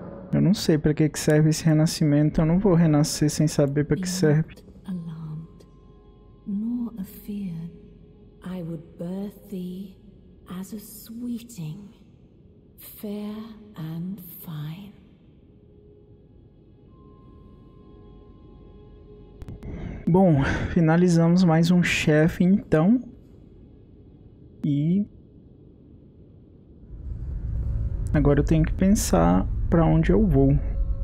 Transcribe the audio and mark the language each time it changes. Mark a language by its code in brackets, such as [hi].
[pt] Eu não sei para que que serve esse renascimento. Eu não vou renascer sem saber para que serve. [en] Alarmed, nor afeared. I would birth thee as a sweeting, fair and fine. [pt] Bom, finalizamos mais um chefe então. E agora eu tenho que pensar para onde eu vou.